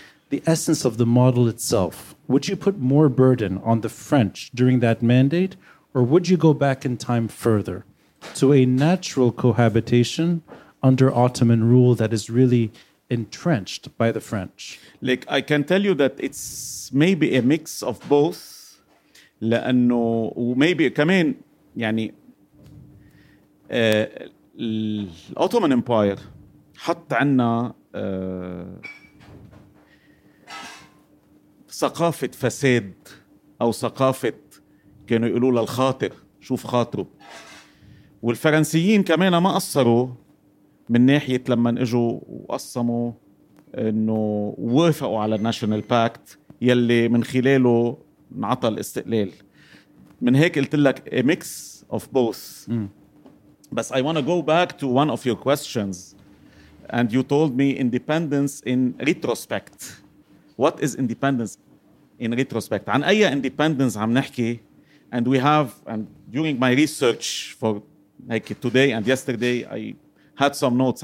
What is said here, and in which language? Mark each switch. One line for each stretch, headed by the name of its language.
English: The essence of the model itself, would you put more burden on the French during that mandate, or would you go back in time further to a natural cohabitation under Ottoman rule that is really entrenched by the French? Like, I can tell you that it's maybe a mix of both, لأنه maybe
Arabic: كمان يعني الأوتومان إمباير حط عنا ثقافة فساد أو ثقافة كانوا يقولوا للخاطر شوف خاطره. والفرنسيين كمان ما قصروا من ناحية لما اجوا وقصموا انه وافقوا على الناشونال باكت يلي من خلاله نعطى الاستقلال. من هيك قلت لك
English: a mix of both. بس I want to go back to one of your questions and you told me independence in retrospect. What is independence in retrospect?
Arabic: عن أي independence عم نحكي؟
English: And we have, and during my research for like today and yesterday, I had some notes.